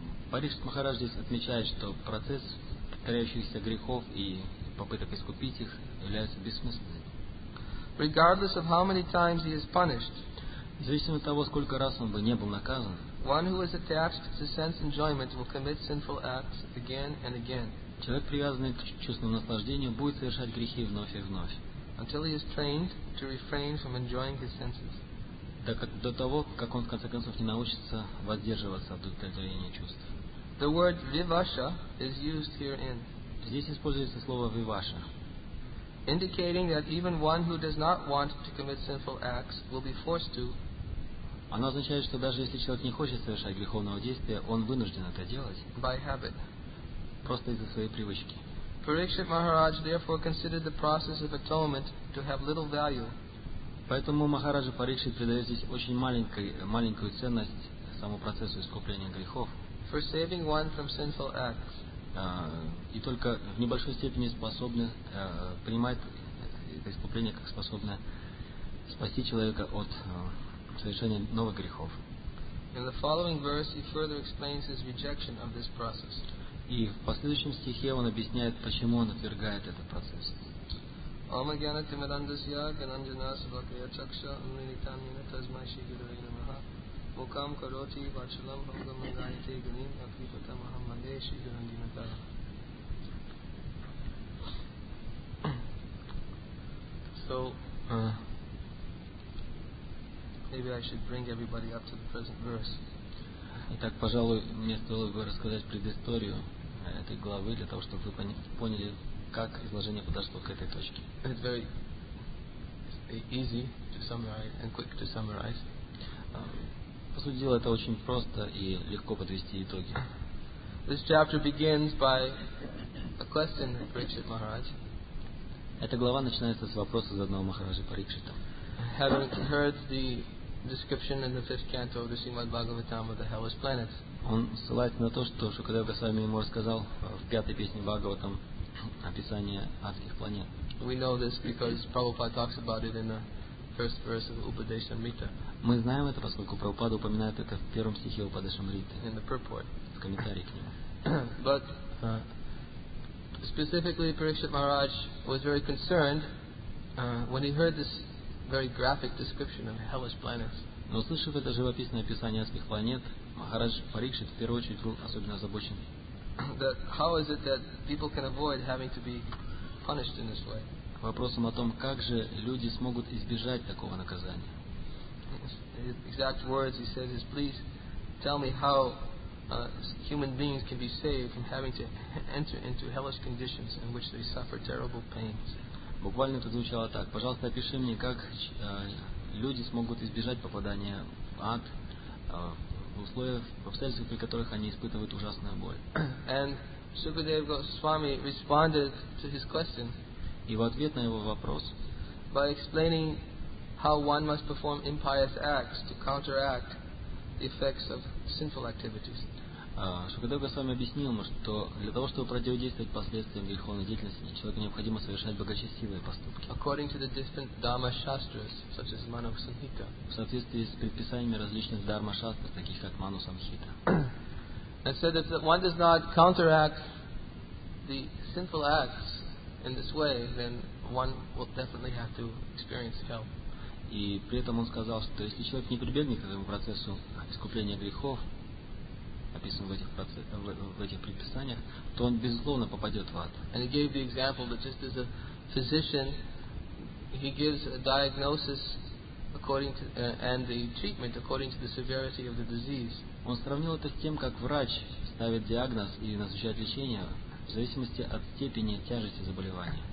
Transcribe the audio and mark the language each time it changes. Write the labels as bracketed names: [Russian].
[Russian] Парикшит Махарадж здесь отмечает, что процесс повторяющихся грехов и попыток искупить их являются бессмысленными. [English] Regardless of how many times he is punished, [Russian] независимо от того, сколько раз он бы не был наказан, [English] one who is attached to sense enjoyment will commit sinful acts again and again. [Russian] Человек, привязанный к чувственному наслаждению, будет совершать грехи вновь и вновь. [English] Until he is trained to refrain from enjoying his senses. [Russian] До того, как он в конце концов не научится воздерживаться от удовлетворения чувств. [English] The word vivasha is used herein. [Russian] Здесь используется слово vivasha, [English] indicating that even one who does not want to commit sinful acts will be forced to. [Russian] Оно означает, что даже если человек не хочет совершать греховного действия, он вынужден это делать. [English] By habit. [Russian] Просто из-за своей привычки. [English] Parikshit Maharaj therefore considered the process of atonement to have little value. [Russian] Поэтому Махараджа Парикшит придает здесь очень маленькую ценность самому процессу искупления грехов. [English] For saving one from sinful acts. [Russian] И только в небольшой степени способны принимать это искупление, как способно спасти человека от совершения новых грехов. [English] In the following verse, he further explains his rejection of this process. [Russian] И в последующем стихе он объясняет, почему он отвергает этот процесс. [Sanskrit] Ом агьяна тимирандасья гананджана свакрия чакша амниритамина тазмай ши гидрай намаха. Mukam karoti vachalam bhagam gayate ganim api pata mahamande shri jarandinata. [English] So, maybe I should bring everybody up to the present verse. [Russian] Итак, пожалуй, мне стоило бы рассказать предысторию этой главы, для того, чтобы вы поняли, как изложение подошло к этой точке. [English] It's very easy to summarize and quick to summarize. [Russian] По сути дела, это очень просто и легко подвести итоги. [English] This chapter begins by a question that Parikshit Maharaj. [Russian] Эта глава начинается с вопроса заданного Махараджи Парикшита. [English] Having heard the description in the fifth canto of the Srimad Bhagavatam of the hellish planets. [Russian] Он ссылается на то, что Шукадев Госвами ему рассказал в пятой песне Бхагаватам описание адских планет. [English] We know this because Prabhupada talks about it in the first verse of Upadeshamrita. [Russian] Мы знаем это, поскольку Прабхупада упоминает это в первом стихе Упадешамриты. [English] In the purport. [Russian] В комментарии к нему. [English] But specifically, Parikshit Maharaj was very concerned when he heard this very graphic description of hellish planets. [Russian] Но услышав это живописное описание адских планет, Махарадж Парикшит в первую очередь был особенно озабочен. [English] That how is it that people can avoid having to be punished in this way? [Russian] Вопросом о том, как же люди смогут избежать такого наказания. [English] His exact words, he said, is please tell me how human beings can be saved from having to enter into hellish conditions in which they suffer terrible pains. [Russian] Буквально это звучало так. Пожалуйста, опиши мне, как люди смогут избежать попадания в ад в условиях, в обстоятельствах, при которых они испытывают ужасную боль. [English] And Sukadeva Goswami responded to his question. [Russian] И в ответ на его вопрос. [English] By explaining how one must perform impious acts to counteract the effects of sinful activities. [Russian] Шукадев Госвами объяснил ему, что для того, чтобы противодействовать последствиям греховной деятельности, человеку необходимо совершать благочестивые поступки. [English] According to the different dharma shastras, such as Manu Samhita. [Russian] В соответствии с предписаниями различных дхарма шастр, таких как Ману Самхита. [English] And said that if one does not counteract the sinful acts in this way, then one will definitely have to experience hell. [Russian] И при этом он сказал, что если человек не прибегнет к этому процессу искупления грехов, описан в этих предписаниях, то он безусловно попадет в ад. [English] And he gave the example that just as a physician, he gives a diagnosis according to and the treatment according to the severity of the disease. [Russian] Он сравнил это с тем, как врач ставит диагноз и назначает лечение в зависимости от степени тяжести заболевания.